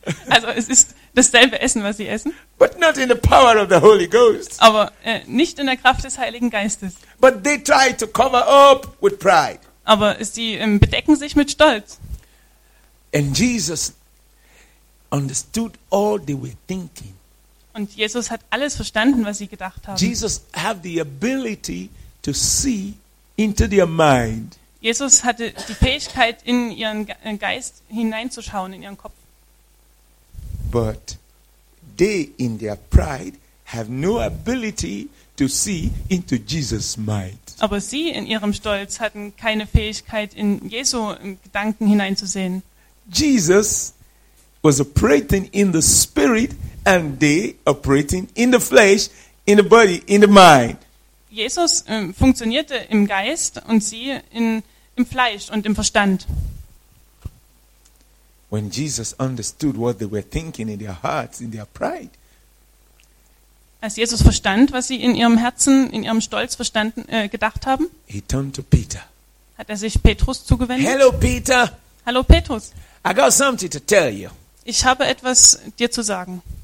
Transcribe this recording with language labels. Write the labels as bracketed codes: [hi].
[de] Also es ist dasselbe Essen, was sie essen. [en] But not in the power of the Holy Ghost. [de] Aber nicht in der Kraft des Heiligen Geistes. [en] But they try to cover up with pride. [de] Aber sie bedecken sich mit Stolz. [en] And Jesus understood all they were thinking. [de] Und Jesus hat alles verstanden, was sie gedacht haben. [en] Jesus had the ability to see into their mind. [de] Jesus hatte die Fähigkeit, in ihren Geist hineinzuschauen, in ihren Kopf. [en] But they in their pride have no ability to see into Jesus' mind. [de] Aber sie in ihrem Stolz hatten keine Fähigkeit, in Jesu Gedanken hineinzusehen. [en] Jesus was operating in the spirit and they operating in the flesh, in the body, in the mind. [de] Jesus funktionierte im Geist und sie im Fleisch und im Verstand. [en] When Jesus understood what they were thinking in their hearts, in their pride. [de] Als Jesus verstand, was sie in ihrem Herzen, in ihrem Stolz verstanden, gedacht haben, [en] he turned to Peter. [de] Hat er sich Petrus zugewendet. [en] Hello, Peter. [de] Hallo, Petrus. [en] I got something to tell you. [de] Ich habe etwas dir zu sagen.